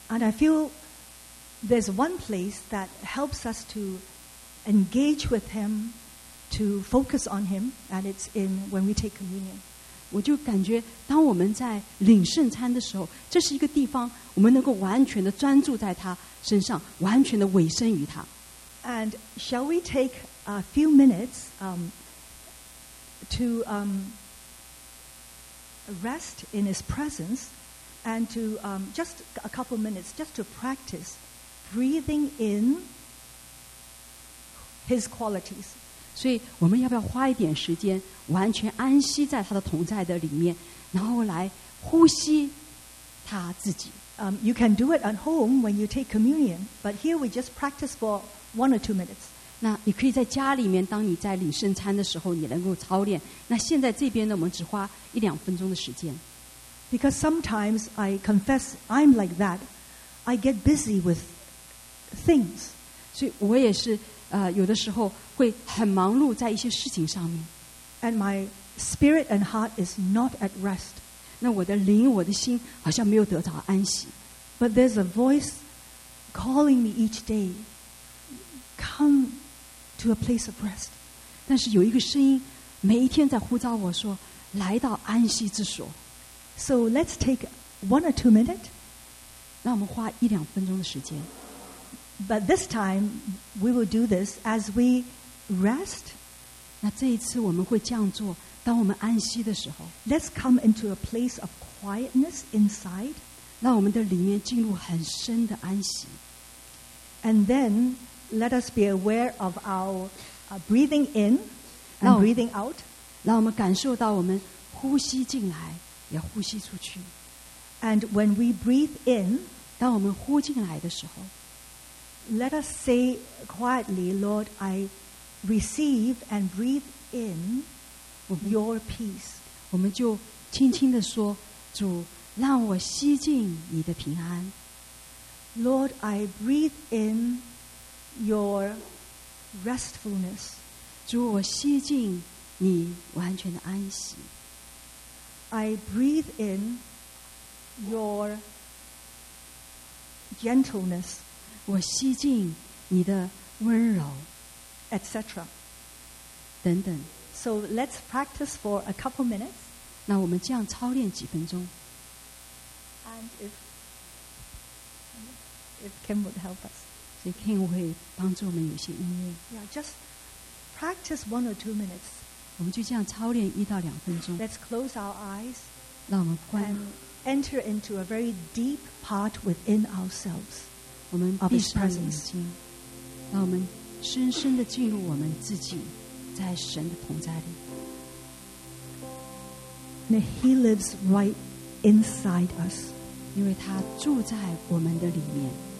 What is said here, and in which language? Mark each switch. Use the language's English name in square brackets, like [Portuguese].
[English] And I feel there's one place that helps us to engage with him, to focus on him, and it's in when we take communion. [Chinese] 我就感觉当我们在领圣餐的时候，这是一个地方我们能够完全的专注在他身上，完全的委身于他。 [English] And shall we take a few minutes to rest in his presence? And to just a couple minutes, just to practice breathing in his qualities. [Chinese] 所以我们要不要花一点时间，完全安息在他的同在的里面，然后来呼吸他自己。 [English] You can do it at home when you take communion, but here we just practice for 1 or 2 minutes. [Chinese] 那你可以在家里面，当你在领圣餐的时候，你能够操练。那现在这边呢，我们只花一两分钟的时间。 [English] Because sometimes I confess I'm like that, I get busy with things. [Chinese] 所以我也是有的时候会很忙碌在一些事情上面。 [English] And my spirit and heart is not at rest. [Chinese] 那我的灵我的心好像没有得到安息。 [English] But there's a voice calling me each day, come to a place of rest. [Chinese] 但是有一个声音每一天在呼召我说来到安息之所。 [English] So let's take 1 or 2 minutes. [Chinese] 让我们花一两分钟的时间。 [English] But this time, we will do this as we rest. [Chinese] 那这一次我们会这样做，当我们安息的时候。 [English] Let's come into a place of quietness inside. [Chinese] 让我们的里面进入很深的安息。 [English] And then, let us be aware of our breathing in and breathing out. [Chinese] 让我们感受到我们呼吸进来。也呼吸出去。 [English] And when we breathe in, [Chinese] 当我们呼进来的时候， [English] let us say quietly, Lord, I receive and breathe in your peace. [Chinese] 我们就轻轻地说，主，让我吸进你的平安。 [English] Lord, I breathe in your restfulness. [Chinese] 主，我吸进你完全的安息。 [English] I breathe in your gentleness. [Chinese] 我吸进你的温柔 [English] etc. [Chinese] 等等。 [English] So let's practice for a couple minutes. [Chinese] 那我们这样操练几分钟。 [English] And if Kim would help us. [Chinese] 所以 Kim 会帮助我们有些音乐。 [English] Yeah, just practice 1 or 2 minutes. Let's close our eyes and enter into a very deep part within ourselves of His presence. [Chinese] 让我们深深地进入我们自己在神的同在里。 [English] Now He lives right inside us. [Chinese] 因为他住在我们的里面。